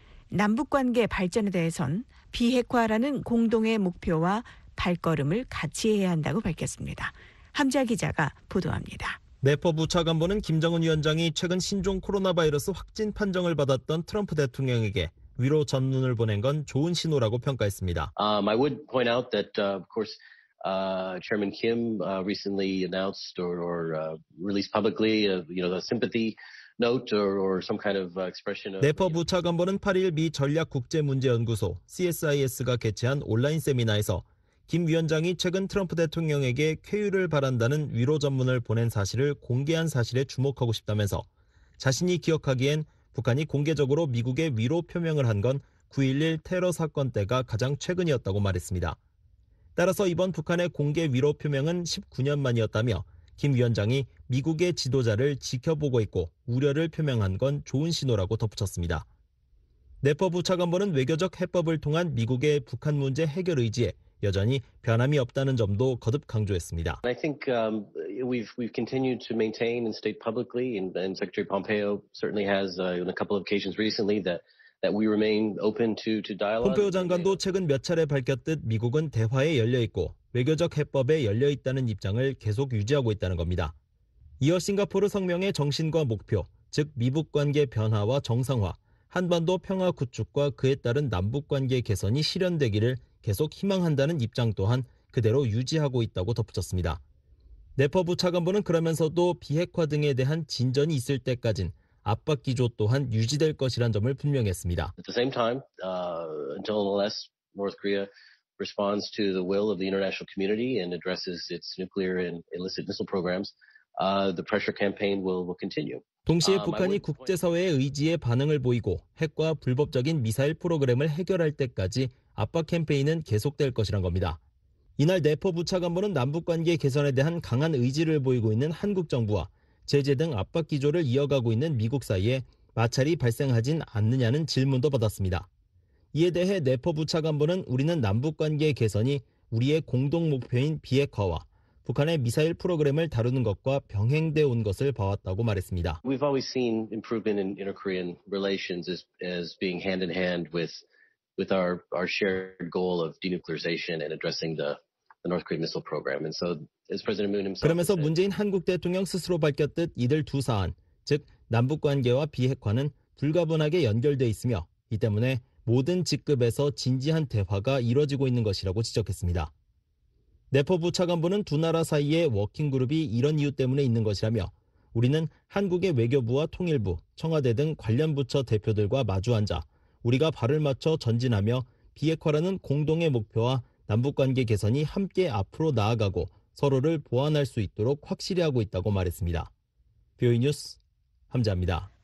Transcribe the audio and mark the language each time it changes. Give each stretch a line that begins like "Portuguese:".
Korean: 남북관계 발전에 대해선 비핵화라는 공동의 목표와 발걸음을 같이 해야 한다고 밝혔습니다. 함자 기자가 보도합니다. 네퍼 부차관보는 김정은 위원장이 최근 신종 코로나 바이러스 확진 판정을 받았던 트럼프 대통령에게 위로 전문을 보낸 건 좋은 신호라고 평가했습니다.
English: I would point out that of course Chairman Kim recently announced or released publicly the sympathy note or some kind of expression of
Korean: 네퍼 부차관보는 8일 미 전략 국제 문제 연구소 CSIS가 개최한 온라인 세미나에서 김 위원장이 최근 트럼프 대통령에게 쾌유를 바란다는 위로 전문을 보낸 사실을 공개한 사실에 주목하고 싶다면서 자신이 기억하기엔 북한이 공개적으로 미국에 위로 표명을 한 건 9.11 테러 사건 때가 가장 최근이었다고 말했습니다. 따라서 이번 북한의 공개 위로 표명은 19년 만이었다며 김 위원장이 미국의 지도자를 지켜보고 있고 우려를 표명한 건 좋은 신호라고 덧붙였습니다. 네퍼 부차관보는 외교적 해법을 통한 미국의 북한 문제 해결 의지에 여전히 변함이 없다는 점도 거듭 강조했습니다.
English: I think we've continued to maintain and state publicly, and Secretary Pompeo certainly has on a couple of occasions recently that we remain open to dialogue.
Korean: 폼페오 장관도 최근 몇 차례 밝혔듯 미국은 대화에 열려 있고 외교적 해법에 열려 있다는 입장을 계속 유지하고 있다는 겁니다. 이어 싱가포르 성명의 정신과 목표, 즉 미북 관계 변화와 정상화, 한반도 평화 구축과 그에 따른 남북 관계 개선이 실현되기를 계속 희망한다는 입장 또한 그대로 유지하고 있다고 덧붙였습니다. 네퍼 부차관보는 그러면서도 비핵화 등에 대한 진전이 있을 때까진 압박 기조 또한 유지될 것이란 점을 분명했습니다.
English: At the same time, until unless North Korea responds to the will of the international community and addresses its nuclear and illicit missile programs, the pressure campaign will continue.
Korean: 동시에 북한이 국제사회의 의지에 반응을 보이고 핵과 불법적인 미사일 프로그램을 해결할 때까지 압박 캠페인은 계속될 것이란 겁니다. 이날 네퍼 부차관보는 남북관계 개선에 대한 강한 의지를 보이고 있는 한국 정부와 제재 등 압박 기조를 이어가고 있는 미국 사이에 마찰이 발생하진 않느냐는 질문도 받았습니다. 이에 대해 네퍼 부차관보는 우리는 남북관계 개선이 우리의 공동 목표인 비핵화와 북한의 미사일 프로그램을 다루는 것과 병행돼 온 것을 봐왔다고 말했습니다.
English: We've always seen improvement in inter-Korean relations as being hand in hand with our shared goal of denuclearization and addressing the North Korean missile program. And so as President Moon himself
Korean: 그러면서 문재인 한국 대통령 스스로 밝혔듯 이들 두 사안, 즉 남북 관계와 비핵화는 불가분하게 연결돼 있으며 이 때문에 모든 직급에서 진지한 대화가 이루어지고 있는 것이라고 지적했습니다. 네퍼 부차관보는 두 나라 사이에 워킹그룹이 이런 이유 때문에 있는 것이라며 우리는 한국의 외교부와 통일부, 청와대 등 관련 부처 대표들과 마주앉아 우리가 발을 맞춰 전진하며 비핵화라는 공동의 목표와 남북관계 개선이 함께 앞으로 나아가고 서로를 보완할 수 있도록 확실히 하고 있다고 말했습니다. 뷰이 뉴스 함자입니다.